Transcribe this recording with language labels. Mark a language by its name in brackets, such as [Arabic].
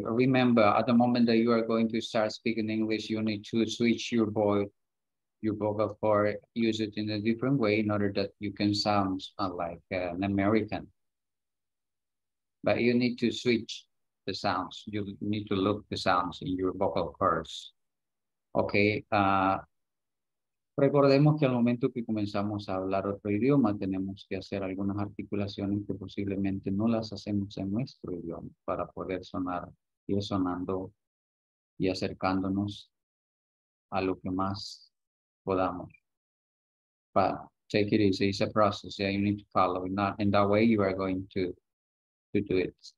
[English] Remember, at the moment that you are going to start speaking English, you need to switch your vocal cord, use it in a different way in order that you can sound like an American. But you need to switch the sounds. You need to look the sounds in your vocal cords. Okay. [Spanish] Recordemos que al momento que comenzamos a hablar otro idioma, tenemos que hacer algunas articulaciones que posiblemente no las hacemos en nuestro idioma para poder sonar, ir sonando y acercándonos a lo que más podamos. [English] But take it easy, it's a process, yeah, you need to follow. In that way you are going to do it.